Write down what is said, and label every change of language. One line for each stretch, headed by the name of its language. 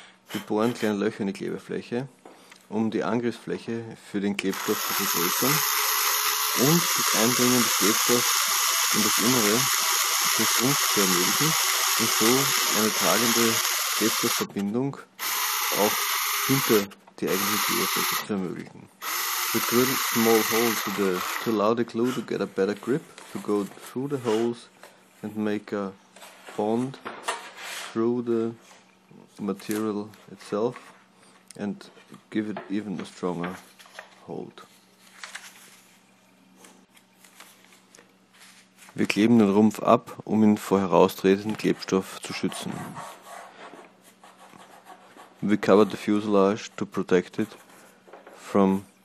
German: Wir bohren kleine Löcher in die Klebefläche, um die Angriffsfläche für den Klebstoff zu vergrößern und das Eindringen des Klebstoffs in das Innere des Rumpfs zu ermöglichen und so eine tragende Klebstoffverbindung auch hinter die eigentliche Klebefläche zu ermöglichen.
English: We drill small holes to allow the glue to get a better grip, to go through the holes and make a bond through the material itself and give it even a stronger hold.
German: Wir kleben den Rumpf ab, um ihn vor heraustretendem Klebstoff zu schützen.
English: We cover the fuselage to protect it from